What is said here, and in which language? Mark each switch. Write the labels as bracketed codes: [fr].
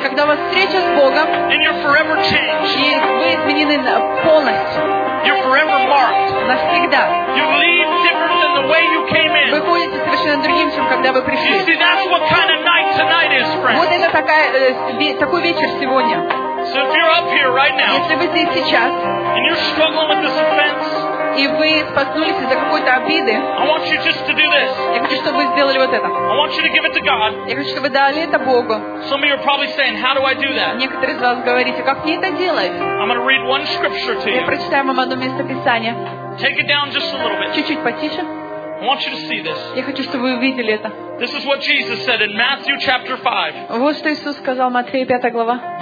[ru] И когда у вас встреча с Богом. [en] And you're forever changed. [ru] И вы изменены полностью. [en] You're forever marked. [ru] Навсегда. [en] You leave different than the way you came in. [ru] Вы будете совершенно другим, чем когда вы пришли. [en] You see, that's what kind of night tonight is, friend. [ru] Вот это такой вечер сегодня. [en] So if you're up here right now, [ru] если вы здесь сейчас, [en] and you're struggling with this offense, [ru] и вы споткнулись из-за какой-то обиды, [en] I want you just to do this. [ru] Я хочу, чтобы вы сделали вот это. [en] I want you to give it to God. [ru] Я хочу, чтобы вы дали это Богу. [en] Some of you are probably saying, how do I do that? [ru] Некоторые из вас говорите, как мне это делать? [en] I'm going to read one scripture to you. [ru] Я прочитаю вам одно место Писания. [en] Take it down just a little bit. [ru] Чуть-чуть потише. [en] I want you to see this. [ru] Я хочу, чтобы вы увидели это. [en] This is what Jesus said in Matthew chapter 5. [ru] Вот что Иисус сказал, Матфея 5 глава.